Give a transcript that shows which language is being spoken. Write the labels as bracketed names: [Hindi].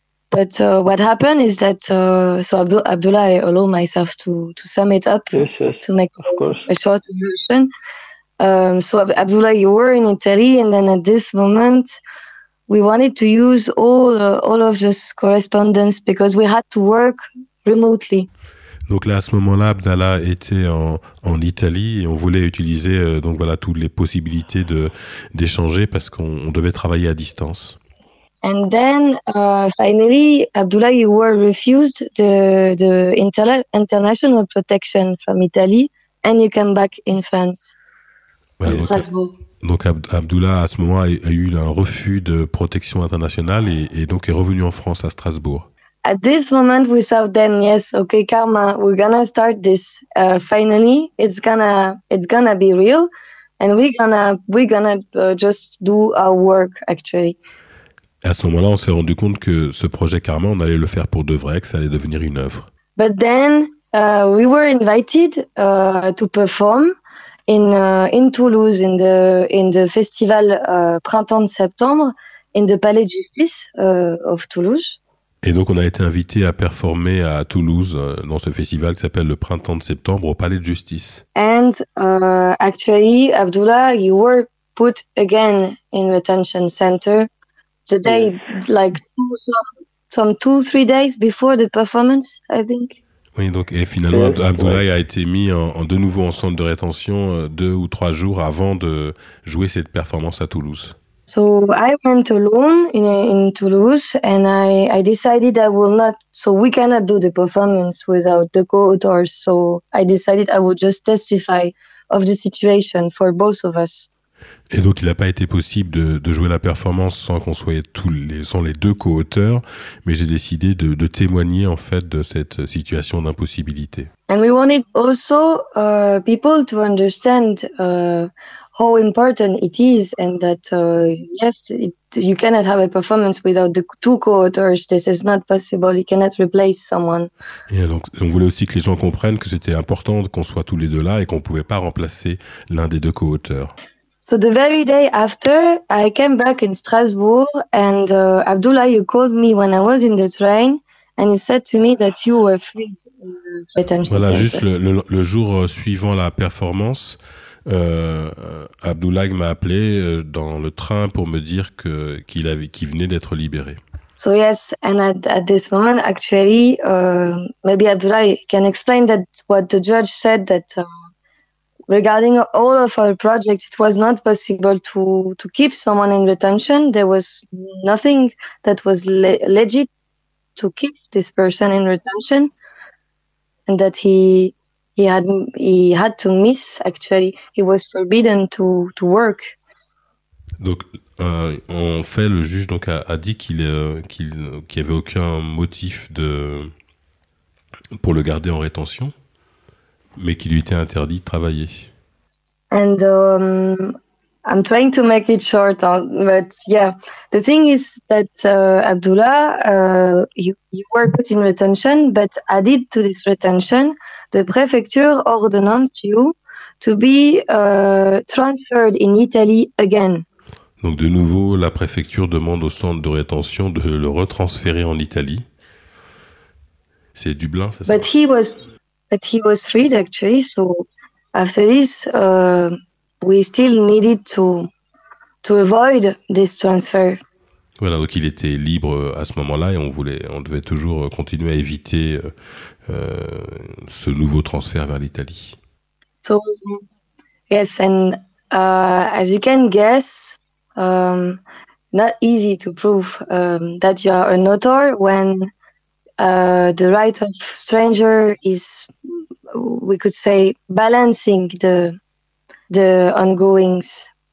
[English] But what happened is that Abdullah, I allow myself to sum it up, yes, to make a short version. So Abdullah, you were in Italy, and then at this moment, we wanted to use all of this correspondence because we had to work remotely. [French] Donc là, à ce moment-là, Abdallah était en Italie et on voulait utiliser donc voilà toutes les possibilités d'échanger parce qu'on devait travailler à distance. [English] And then finally, Abdullah, you were refused the international protection from Italy, and you came back in France. [French] Voilà, donc Abdullah, à ce moment, a eu un refus de protection internationale et donc est revenu en France à Strasbourg. [English] At this moment, we saw then, yes, okay, karma, we're gonna start this. Finally, it's gonna be real, and we're gonna just do our work actually. [French] À ce moment-là, on s'est rendu compte que ce projet Karma, on allait le faire pour de vrai, que ça allait devenir une œuvre. [English] But then we were invited to perform in Toulouse in the festival Printemps de Septembre in the Palais de Justice of Toulouse. [French] Et donc on a été invité à performer à Toulouse dans ce festival qui s'appelle le Printemps de Septembre au Palais de Justice. [English] And actually Abdullah, you were put again in retention center. The day, like some 2-3 days before the performance, I think. [French] Oui, donc et finalement Abdoulaye a été mis en de nouveau en centre de rétention 2 ou 3 jours avant de jouer cette performance à Toulouse. [English] So I went alone in Toulouse and I decided I will not. So we cannot do the performance without the co-authors. So I decided I would just testify of the situation for both of us. [French] Et donc, il n'a pas été possible de jouer la performance sans qu'on soit sans les deux co-auteurs, mais j'ai décidé de témoigner en fait de cette situation d'impossibilité. [English] And we wanted also people to understand how important it is and that you cannot have a performance without the two co-auteurs. This is not possible. You cannot replace someone. [French] Et donc, on voulait aussi que les gens comprennent que c'était important qu'on soit tous les deux là et qu'on ne pouvait pas remplacer l'un des deux co-auteurs. [English] So the very day after, I came back in Strasbourg and Abdullah, you called me when I was in the train and you said to me that you were free. [French] Voilà, juste le jour suivant la performance, Abdullah m'a appelé dans le train pour me dire qu'il venait d'être libéré. [English] So yes, and at this moment, actually, maybe Abdullah can explain that what the judge said, that regarding all of our projects, it was not possible to keep someone in retention. There was nothing that was legit to keep this person in retention, and that he had to miss, actually. He was forbidden to work. [French] Donc, en fait, le juge donc a dit qu'il y avait aucun motif pour le garder en rétention, mais qu'il lui était interdit de travailler. [English] And I'm trying to make it short, but yeah, the thing is that Abdullah, you were put in retention, but added to this retention, the prefecture ordonnance you to be transferred in Italy again. [French] Donc de nouveau, la préfecture demande au centre de rétention de le retransférer en Italie. C'est Dublin, c'est ça? [English] But he was freed actually. So after this, we still needed to avoid this transfer. [French] Voilà, donc il était libre à ce moment-là et on devait toujours continuer à éviter ce nouveau transfert vers l'Italie. [English] So yes, and as you can guess. Not easy to prove that you are an author when the right of stranger is, we could say, balancing the ongoings.